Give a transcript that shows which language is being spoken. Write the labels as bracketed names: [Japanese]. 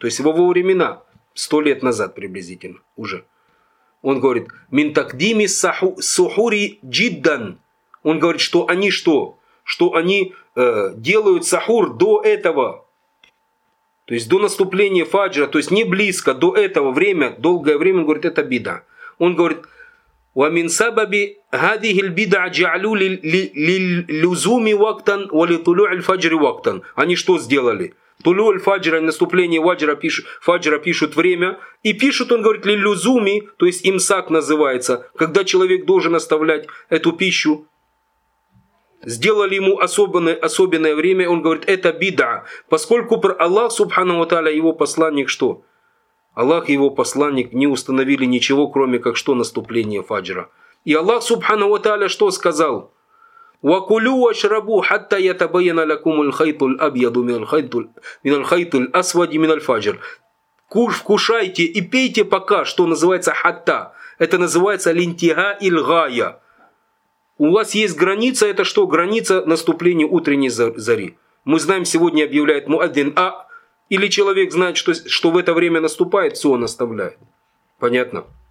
[Russian] То есть в его времена, 100 лет назад приблизительно уже. Он говорит [Arabic] «Мин такдими сухури джиддан». [Russian] Он говорит, что они что? Что они делают сахур до этого. То есть до наступления фаджра. То есть не близко, до этого время, долгое время. Он говорит, это беда. Он говорит [Arabic] وَمِنْ سَبَبِ هَذِهِ الْبِدَعَ جَعْلُوا لِلْلُزُومِ وَقْتًا وَلِطُلُوعِ الْفَجْرِ وَقْتًا. [Russian] Они что сделали? Тулю аль-фаджра, наступление фаджра пишут время. И пишут, он говорит, лиллюзуми, то есть имсак называется, когда человек должен оставлять эту пищу. Сделали ему особенное время, он говорит, это бида. Поскольку Аллах, субхану ва тааля, его посланник, что? Аллах и его посланник не установили ничего, кроме как что наступление фаджра. И Аллах, субхану ва тааля, что сказал? [Arabic] وكلوا واشربوا حتى يتبين لكم الخيط الابيض من الخيط الاسود من الفجر. [Russian] Вкушайте и пейте пока, что называется хатта. Это называется лентига ильгая. У вас есть граница, это что? Граница наступления утренней зари. Мы знаем, сегодня объявляет муаддин. А или человек знает, что в это время наступает, все, он оставляет. Понятно?